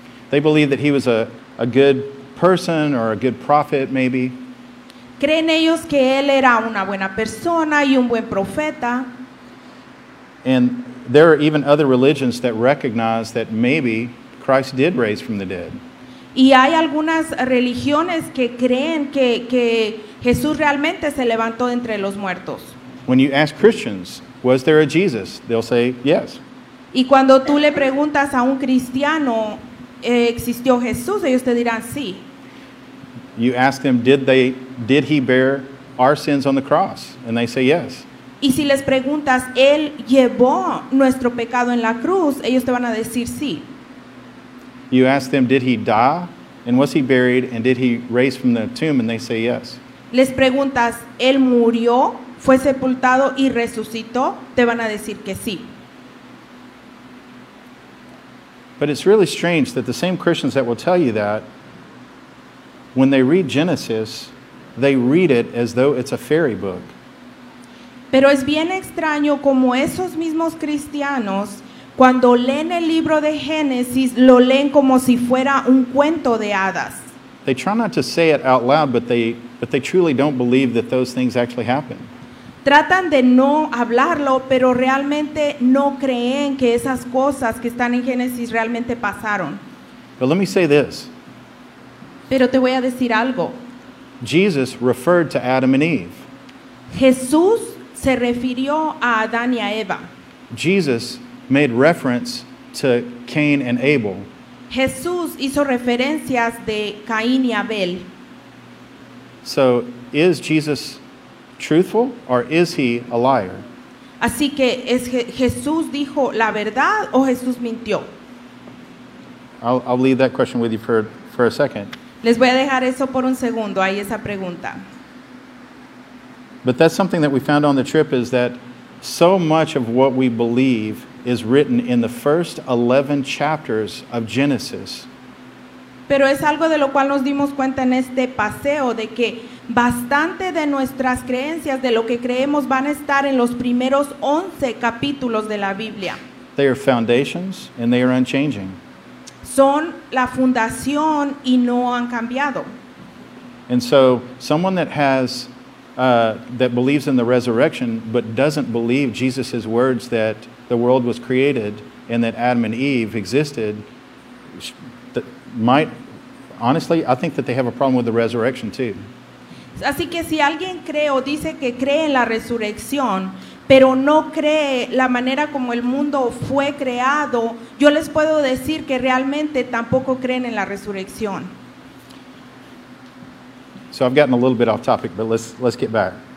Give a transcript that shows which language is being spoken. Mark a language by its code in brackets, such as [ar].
[en] They believe that he was a good person or a good prophet, maybe. [es] Creen ellos que él era una buena persona y un buen profeta. [en] And there are even other religions that recognize that maybe Christ did raise from the dead. [es] Y hay algunas religiones que creen que Jesús realmente se levantó entre los muertos. [en] When you ask Christians, was there a Jesus? They'll say, yes. [es] Y cuando tú le preguntas a un cristiano, ¿existió Jesús? Ellos te dirán, sí. [en] You ask them, did he bear our sins on the cross? And they say, yes. [es] Y si les preguntas, ¿él llevó nuestro pecado en la cruz? Ellos te van a decir, sí. [en] You ask them, did he die? And was he buried? And did he raise from the tomb? And they say, yes. [es] Les preguntas, ¿él murió, fue sepultado y resucitó? Te van a decir que sí. [en] But it's really strange that the same Christians that will tell you that, when they read Genesis, they read it as though it's a fairy book. [es] Pero es bien extraño como esos mismos cristianos, cuando leen el libro de Génesis, lo leen como si fuera un cuento de hadas. [en] They try not to say it out loud, but they truly don't believe that those things actually happen. [es] Tratan de no hablarlo, pero realmente no creen que esas cosas que están en Génesis realmente pasaron. [en] But let me say this. [es] Pero te voy a decir algo. [en] Jesus referred to Adam and Eve. [es] Jesús se refirió a Adán y a Eva. [en] Jesus made reference to Cain and Abel. [es] Jesús hizo referencias de Caín y Abel. [en] So, is Jesus truthful or is he a liar? [es] Así que, ¿es Jesús dijo la verdad o Jesús mintió? [en] I'll leave that question with you for a second. [es] Les voy a dejar eso por un segundo, ahí esa pregunta. [en] But that's something that we found on the trip, is that so much of what we believe is written in the first 11 chapters of Genesis. [es] Pero es algo de lo cual nos dimos cuenta en este paseo, de que bastante de nuestras creencias, de lo que creemos, van a estar en los primeros 11 capítulos de la Biblia. [en] They are foundations and they are unchanging. [es] Son la fundación y no han cambiado. [en] And so someone that has that believes in the resurrection but doesn't believe Jesus' words that the world was created and that Adam and Eve existed, that might, honestly, I think that they have a problem with the resurrection too. [es] Así que si alguien cree o dice que cree en la resurrección, pero no cree la manera como el mundo fue creado, yo les puedo decir que realmente tampoco creen en la resurrección. [en] So I've gotten a little bit off topic, but let's get back.